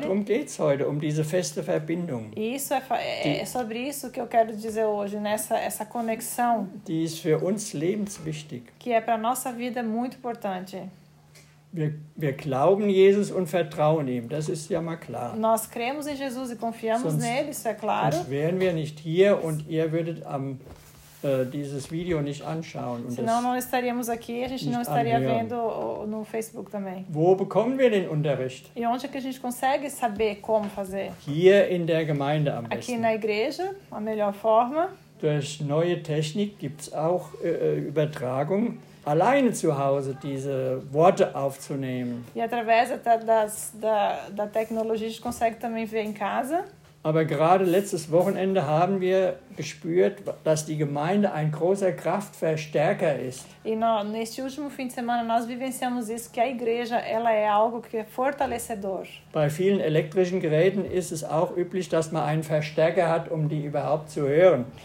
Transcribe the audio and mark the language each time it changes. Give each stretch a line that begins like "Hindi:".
German: Darum geht's heute, diese feste Verbindung.
Portuguese: Isso é sobre isso que eu quero dizer hoje, nessa essa conexão.
German: Die ist für uns lebenswichtig.
Portuguese: Que é para nossa vida muito importante.
German: Wir glauben Jesus und vertrauen ihm, das ist ja mal klar.
Portuguese: Nós cremos em Jesus e confiamos
German: sonst,
Portuguese: nele, isso é claro.
German: Sonst wären wir nicht hier und ihr würdet am dieses Video nicht anschauen und
Portuguese: senão, não estaríamos aqui, a gente não estaria
German: anhören.
Portuguese: Vendo no Facebook também.
German: Wo bekommen wir den Unterricht?
Portuguese: E onde é que a gente consegue saber como fazer?
German: Hier in der Gemeinde am
Portuguese: aqui
German: besten.
Portuguese: Na igreja, a melhor forma.
German: Durch neue Technik gibt's auch Übertragung. Alleine zu Hause diese Worte aufzunehmen.
Portuguese: E através da tecnologia a gente consegue também ver em casa.
German: Aber gerade letztes Wochenende haben wir gespürt, dass die Gemeinde ein großer Kraftverstärker ist.
Portuguese: E neste último fim de semana nós vivenciamos isso, que a igreja ela é algo que é fortalecedor.
German: Bei vielen elektrischen Geräten ist es auch üblich, dass man einen Verstärker hat, um die überhaupt zu hören.